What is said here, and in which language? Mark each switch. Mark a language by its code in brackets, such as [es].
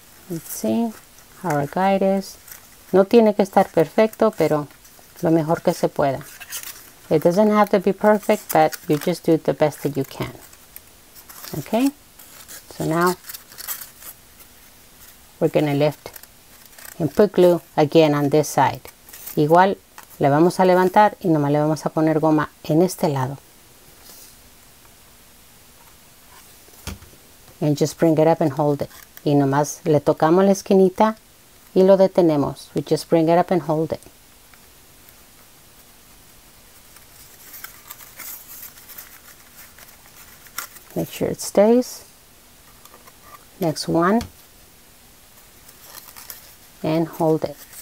[en] Let's see how our guide is. [es] No tiene que estar perfecto, pero lo mejor que se pueda. [en] It doesn't have to be perfect, but you just do the best that you can. Okay? So now we're going to lift and put glue again on this side. [es] Igual le vamos a levantar y nomás le vamos a poner goma en este lado. [en] And just bring it up and hold it. [es] Y nomás le tocamos la esquinita y lo detenemos. [en] We just bring it up and hold it. Make sure it stays. Next one. And hold it.